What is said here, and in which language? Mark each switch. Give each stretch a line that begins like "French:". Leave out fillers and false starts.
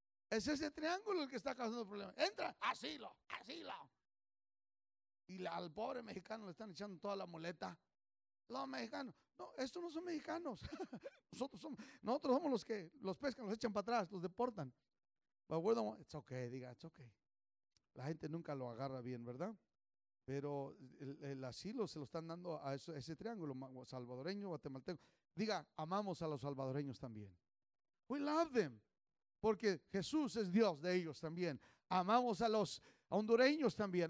Spanish: Es ese triángulo el que está causando el problema. Entra, asilo, asilo. Y al pobre mexicano le están echando toda la muleta. Los mexicanos. No, estos no son mexicanos. Nosotros somos los que los pescan, los echan para atrás, los deportan.
English: But we're the one, it's okay, diga, it's okay.
Spanish: La gente nunca lo agarra bien, ¿verdad? Pero el asilo se lo están dando a ese triángulo, salvadoreño, guatemalteco. Diga, amamos a los salvadoreños también.
English: We love them.
Spanish: Porque Jesús es Dios de ellos también. Amamos a los hondureños también.